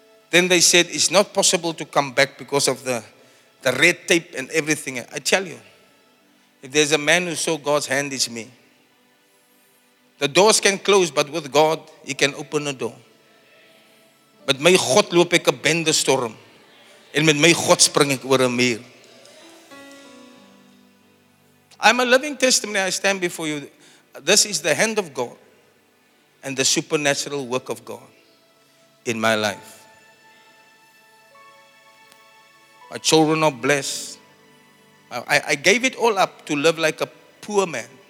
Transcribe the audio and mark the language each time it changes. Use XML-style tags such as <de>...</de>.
<en>Then they said, it's not possible to come back because of the red tape and everything. I tell you, if there's a man who saw God's hand, it's me. The doors can close, but with God, he can open a door.</en> <af>Met my God loop ek 'n bende storm. En met my God spring ek oor 'n muur.</af> <en>I'm a living testimony. I stand before you. This is the hand of God and the supernatural work of God in my life. My children are blessed. I gave it all up to live like a poor man.</en>